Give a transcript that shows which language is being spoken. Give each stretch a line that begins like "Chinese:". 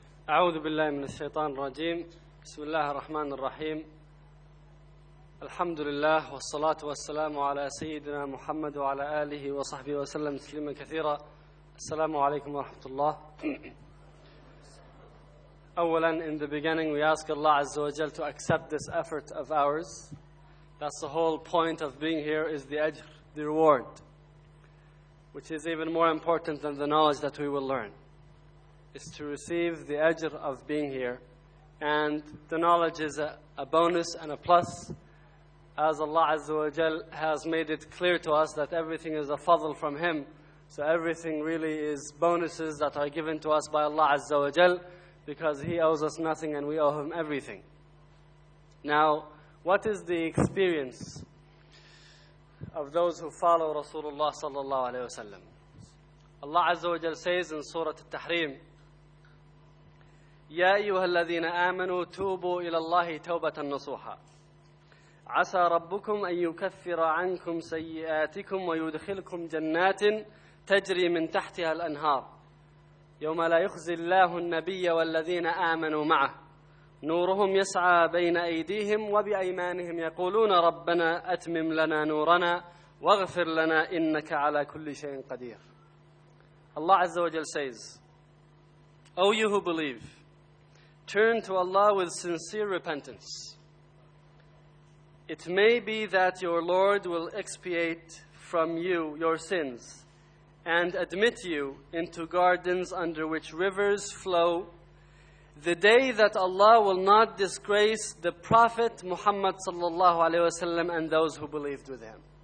Arabic: أعوذ بالله من الشيطان الرجيم بسم الله الرحمن الرحيم الحمد لله والصلاة والسلام على سيدنا محمد وعلى آله وصحبه وسلم تسليما كثيرا السلام عليكم ورحمة الله أولا
English: in the beginning we ask Allah عز وجل to accept this effort of ours. That's the whole point of being here, is the ajr, the reward, which is even more important than the knowledge that we will learn. Is to receive the ajr of being here. And the knowledge is a bonus and a plus, as Allah Azza wa Jal has made it clear to us that everything is a fadl from Him. So everything really is bonuses that are given to us by Allah Azza wa Jal, because He owes us nothing and we owe Him everything. Now, what is the experience of those who follow Rasulullah Sallallahu Alaihi Wasallam? Allah Azza wa Jal says in Surah Al-Tahrim, يَا أَيُّهَا الَّذِينَ آمَنُوا تُوبُوا إِلَى اللَّهِ تَوْبَةً نَصُوحًا
Arabic: عَسَى رَبُّكُمْ أَنْ يُكَفِّرَ عَنْكُمْ سَيِّئَاتِكُمْ وَيُدْخِلْكُمْ جَنَّاتٍ تَجْرِي مِنْ تَحْتِهَا الْأَنْهَارِ يَوْمَ لَا يُخْزِي اللَّهُ النَّبِيَّ وَالَّذِينَ آمَنُوا مَعَهُ نُورُهُمْ يَسْعَى بَيْنَ أَيْدِيهِمْ وَبِأَيْمَانِهِمْ يَقُولُونَ رَبَّنَا أَتْمِمْ لَنَا نُورَنَا وَاغْفِرْ لَنَا إِنَّكَ عَلَى كُلِّ شَيْءٍ قَدِيرٌ الله عز وجل
English: says, O you who believe, turn to Allah with sincere repentance. It may be that your Lord will expiate from you your sins and admit you into gardens under which rivers flow, the day that Allah will not disgrace the Prophet Muhammad sallallahu alaihi wasallam and those who believed with him.